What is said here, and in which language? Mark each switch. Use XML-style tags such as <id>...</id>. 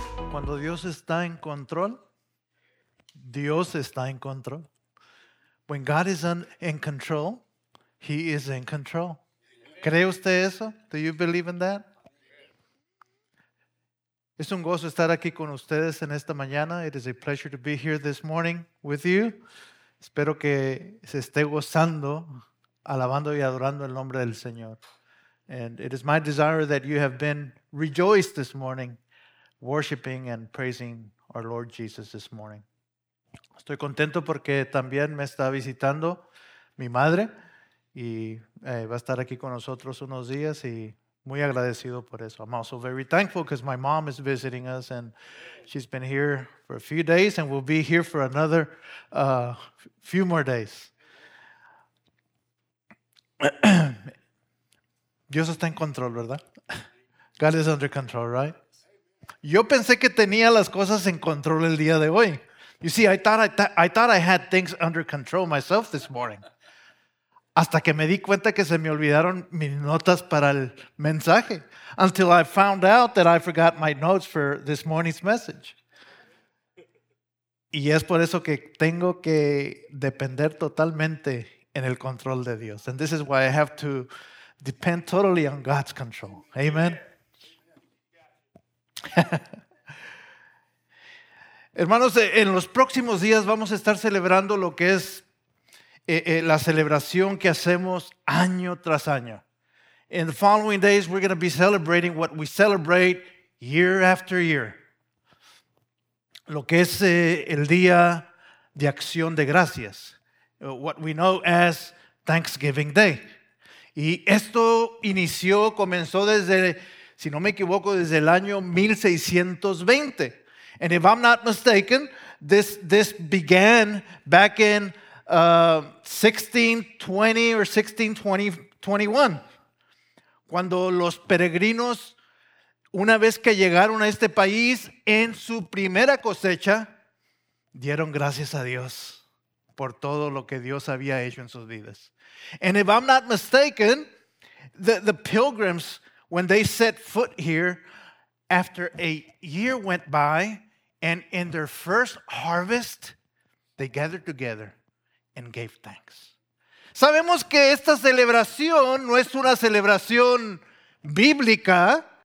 <es>cuando Dios está en control, Dios está en control.</es> <en>When God is in control, He is in control.</en> <es>¿Cree usted eso?</es> <en>Do you believe in that?</en> <es>Es un gozo estar aquí con ustedes en esta mañana.</es> <en>It is a pleasure to be here this morning with you.</en> <es>Espero que se esté gozando, alabando y adorando el nombre del Señor.</es> <en>And it is my desire that you have been rejoiced this morning, worshiping and praising our Lord Jesus this morning.</en> <es>Estoy contento porque también me está visitando mi madre y va a estar aquí con nosotros unos días y muy agradecido por eso.</es> <en>I'm also very thankful because my mom is visiting us and she's been here for a few days and will be here for another few more days.</en> <es>Dios está en control, ¿verdad?</es> <en>God is under control, right?</en> <es>Yo pensé que tenía las cosas en control el día de hoy.</es> <en>You see, I thought I had things under control myself this morning.</en> <es>Hasta que me di cuenta que se me olvidaron mis notas para el mensaje.</es> <en>Until I found out that I forgot my notes for this morning's message.</en> <es>Y es por eso que tengo que depender totalmente en el control de Dios.</es> <en>And this is why I have to depend totally on God's control. Amen.</en> <es>Hermanos, en los próximos días vamos a estar celebrando lo que es la celebración que hacemos año tras año.</es> <en>In the following days, we're going to be celebrating what we celebrate year after year.</en> <es>Lo que es el Día de Acción de Gracias,</es> <en>what we know as Thanksgiving Day.</en> <es>Y esto comenzó desde, si no me equivoco, desde el año 1620.</es> <en>And if I'm not mistaken, this began back in 1620 or 1621.</en> <es>Cuando los peregrinos, una vez que llegaron a este país, en su primera cosecha, dieron gracias a Dios por todo lo que Dios había hecho en sus vidas.</es> <en>And if I'm not mistaken, the pilgrims, when they set foot here, after a year went by, and in their first harvest, they gathered together and gave thanks.</en> <es>Sabemos que esta celebración no es una celebración bíblica.</es>